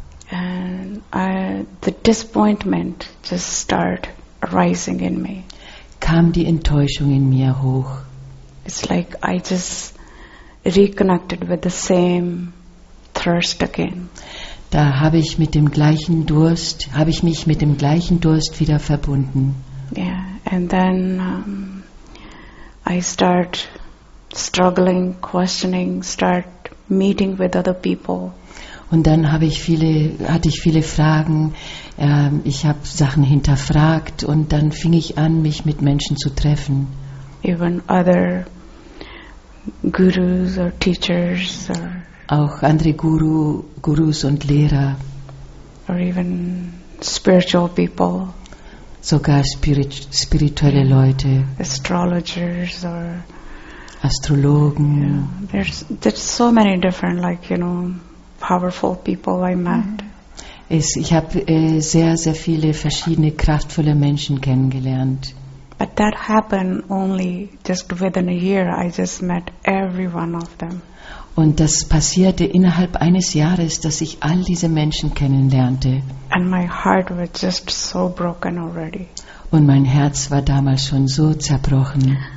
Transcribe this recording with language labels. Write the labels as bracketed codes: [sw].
[en] And the disappointment just start rising in me. [de] Kam die Enttäuschung in mir hoch. [en] It's like I just reconnected with the same thirst again. [de] Da habe ich mit dem gleichen Durst, habe ich mich mit dem gleichen Durst wieder verbunden. [en] Yeah, and then I start struggling, questioning, start meeting with other people. [de] Und dann hatte ich viele Fragen. Ich habe Sachen hinterfragt und dann fing ich an, mich mit Menschen zu treffen. [en] Even other gurus or teachers. Or [de] auch andere Gurus und Lehrer. [en] Or even spiritual people. [de] Sogar spirituelle Leute. [en] Astrologers or [de] Astrologen. [en] Yeah. There's so many different, like, you know, powerful people I met. [de] Ich habe sehr, sehr viele verschiedene kraftvolle Menschen kennengelernt. [en] But that happened only just within a year. I just met every one of them. [de] Und das passierte innerhalb eines Jahres, dass ich all diese Menschen kennenlernte. [en] And my heart was just so broken already. [de] Und mein Herz war damals schon so zerbrochen.